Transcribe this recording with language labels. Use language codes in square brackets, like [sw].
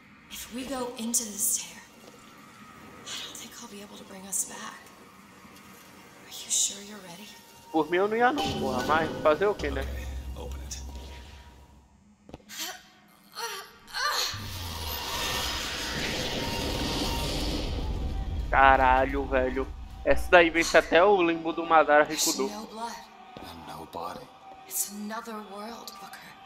[en] If we go into this tear, I don't think I'll be able to bring us back. Are you sure you're ready? [pt] Por mim eu não ia não, porra, mas fazer o quê, né? [en] Open it. [pt] Caralho, velho. Essa daí vence até o limbo do Madara Rikudo. [en] And no body. It's another world, Booker.